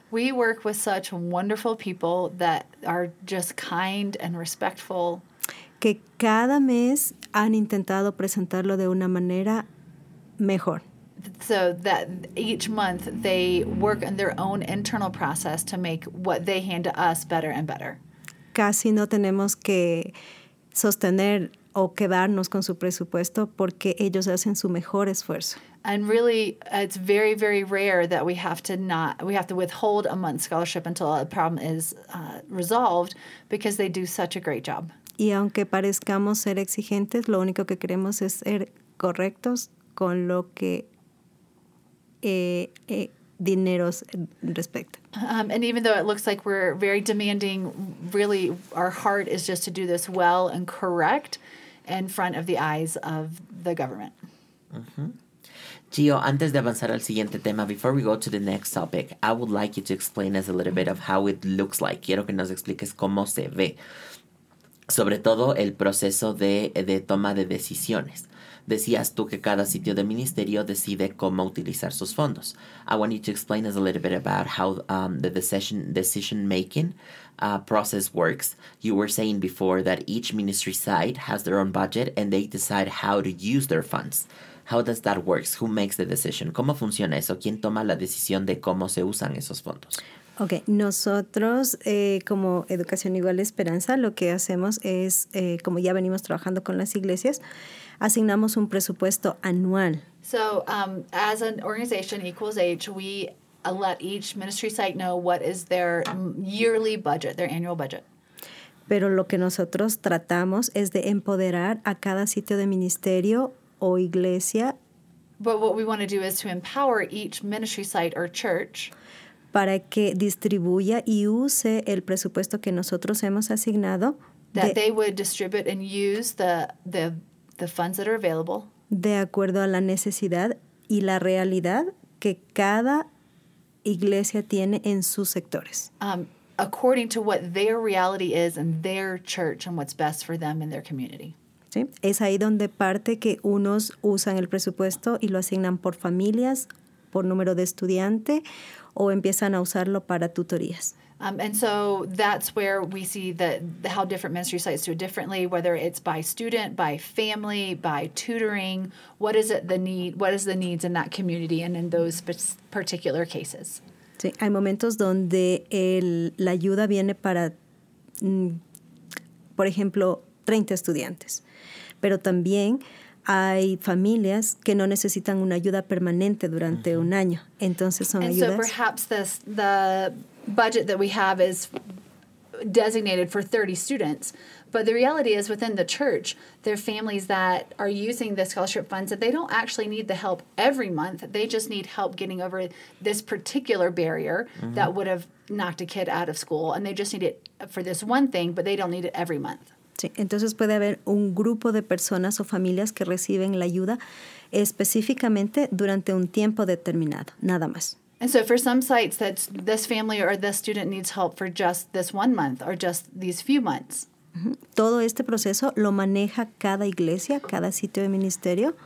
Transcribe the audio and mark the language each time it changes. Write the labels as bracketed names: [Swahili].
[English] We work with such wonderful people that are just kind and respectful. [Spanish] Que cada mes han intentado presentarlo de una manera mejor. [English] So that each month they work in their own internal process to make what they hand to us better and better. [Spanish] Casi no tenemos que sostener o quedarnos con su presupuesto porque ellos hacen su mejor esfuerzo. [English] And really, it's very, very rare that we have to withhold a month's scholarship until a problem is resolved because they do such a great job. [Spanish] Y aunque parezcamos ser exigentes, lo único que queremos es ser correctos con lo que dineros respecta. [English] And even though it looks like we're very demanding, really our heart is just to do this well and correct in front of the eyes of the government. Uh-huh. Gio, [Spanish] antes de avanzar al siguiente tema, [English] before we go to the next topic, I would like you to explain us a little bit of how it looks like. [Spanish] Quiero que nos expliques cómo se ve, sobre todo el proceso de toma de decisiones. Decías tú que cada sitio de ministerio decide cómo utilizar sus fondos. [English] I want you to explain us a little bit about how the decision-making process works. You were saying before that each ministry site has their own budget and they decide how to use their funds. How does that work? Who makes the decision? [Spanish] ¿Cómo funciona eso? ¿Quién toma la decisión de cómo se usan esos fondos? Okay, nosotros como Educación Igual Esperanza lo que hacemos es, como ya venimos trabajando con las iglesias, asignamos un presupuesto anual. [English] So, as an organization, Equals H, we let each ministry site know what is their yearly budget, their annual budget. [Spanish] Pero lo que nosotros tratamos es de empoderar a cada sitio de ministerio o iglesia. [English] But what we want to do is to empower each ministry site or church [Spanish] para que distribuya y use el presupuesto que nosotros hemos asignado. [English] That they would distribute and use the funds that are available. [Spanish] De acuerdo a la necesidad y la realidad que cada iglesia tiene en sus sectores. [English] According to what their reality is and their church and what's best for them and their community. [Spanish] Sí. Es ahí donde parte que unos usan el presupuesto y lo asignan por familias, por número de estudiante, o empiezan a usarlo para tutorías. [English] And so that's where we see how different ministry sites do it differently, whether it's by student, by family, by tutoring. What is it the need? What is the needs in that community and in those particular cases? [Spanish] Sí, hay momentos donde la ayuda viene para, por ejemplo, 30 estudiantes. Pero también hay familias que no necesitan una ayuda permanente durante un año. Entonces son ayudas. [English] And so perhaps the budget that we have is designated for 30 students. But the reality is within the church, there are families that are using the scholarship funds that they don't actually need the help every month. They just need help getting over this particular barrier mm-hmm. that would have knocked a kid out of school. And they just need it for this one thing, but they don't need it every month. [Spanish] Sí. Entonces puede haber un grupo de personas o familias que reciben la ayuda específicamente durante un tiempo determinado, nada más. [English] And so for some sites, that's this family or this student needs help for just this one month or just these few months. [Spanish] Todo este proceso lo maneja cada iglesia, cada sitio de ministerio.